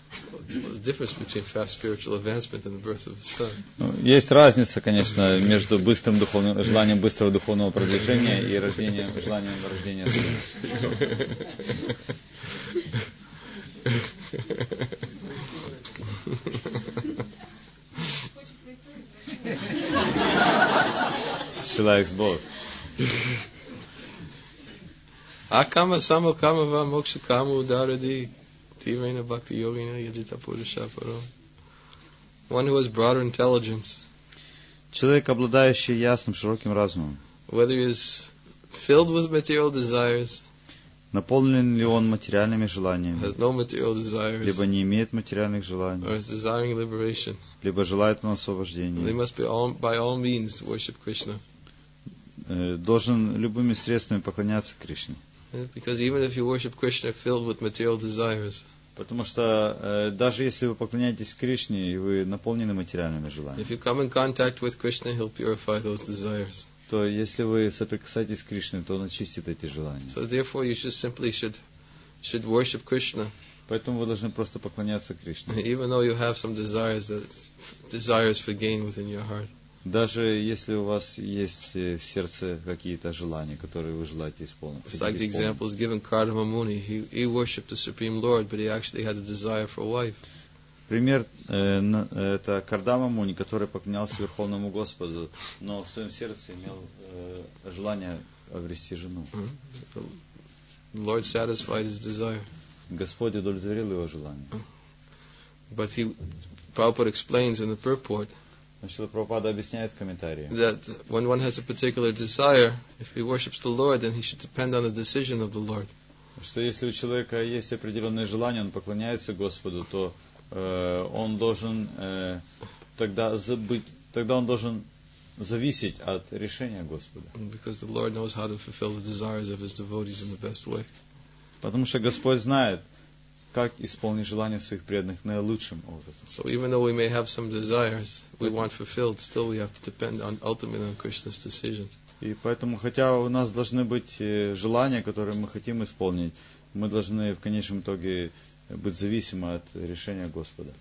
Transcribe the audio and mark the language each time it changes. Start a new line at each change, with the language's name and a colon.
English: What's the difference between fast spiritual advancement and the birth of a son?
Russian: Есть разница, конечно, между быстрым духовным желанием быстрого духовного продвижения и рождением желанием рождения сына.
English: She likes both.
Sanskrit: Акама само кама ва мокша кама ударади тивейна бхакти йогина яджита пуруша паро.
English: One who has broader intelligence.
Russian: Человек, обладающий ясным, широким разумом.
English: Whether he is filled with material desires.
Russian: Наполнен ли он материальными желаниями?
English: Has no material desires.
Russian: Либо не имеет материальных желаний.
English: Or is desiring liberation.
Russian: Либо желает он освобождения.
English: They must be all, by all means worship Krishna.
Russian: Должен любыми средствами поклоняться Кришне.
English: Because even if you worship Krishna filled with material desires,
Russian: потому что даже если вы поклоняетесь Кришне и вы наполнены материальными желаниями,
English: if you come in contact with Krishna, he'll purify those desires.
Russian: То если вы соприкасаетесь с Кришной, то он очистит эти желания.
English: So therefore, you just simply should worship Krishna.
Russian: Поэтому вы должны просто поклоняться Кришне.
English: Even though you have some desires that desires for gain within your heart.
Russian: Даже если у вас есть в сердце какие-то желания, которые вы желаете исполнить.
English: It's like the example is given Kardama Muni. He worshipped the Supreme Lord, but he actually had a desire for a wife.
Russian: Пример это Кардама Муни, который поклонялся Верховному Господу, но в своем сердце имел желание обрести жену.
English: The Lord satisfied his desire.
Russian: Господь удовлетворил его желание.
English: But he, Prabhupada explains in the purport.
Russian: Шрила Прабхупада объясняет в комментарии.
English: That when one has a particular desire, if he worships the Lord, then he should depend on the decision of the Lord.
Russian: Что если у человека есть определенное желание, он поклоняется Господу, то он должен тогда забыть, тогда он должен зависеть от решения Господа.
English: Because the Lord knows how to fulfill the desires of his devotees in the best way.
Russian: Потому что Господь знает, как исполнить желания своих преданных наилучшим образом.
English: So even though we may have some desires we want fulfilled, still we have to depend on ultimately on Krishna's decision.
Russian: И поэтому, хотя у нас должны быть желания, которые мы хотим исполнить, мы должны в конечном итоге быть зависимы от решения Господа.